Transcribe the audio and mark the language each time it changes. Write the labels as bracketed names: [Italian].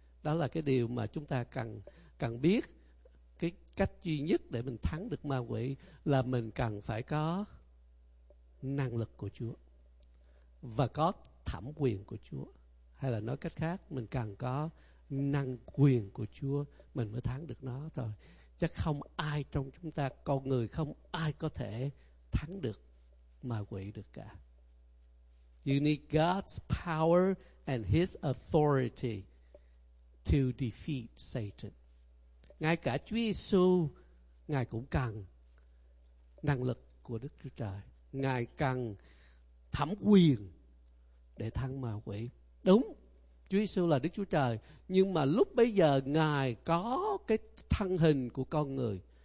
[Vietnamese] Đó là cái điều mà chúng ta cần biết. Cái cách duy nhất để mình thắng được ma quỷ là mình cần phải có năng lực của Chúa và có thẩm quyền của Chúa. Hay là nói cách khác, mình cần có năng quyền của Chúa mình mới thắng được nó thôi. Chắc không ai trong chúng ta, con người không ai có thể thắng được ma quỷ được cả. [English] You need God's power and His authority to defeat Satan. [Vietnamese] Ngay cả Chúa Giêsu, Ngài cũng cần năng lực của Đức Chúa Trời. Ngài cần thẩm quyền để thắng ma quỷ. Đúng, Chúa Giêsu là Đức Chúa Trời, nhưng mà lúc bây giờ Ngài có cái thân hình của con người.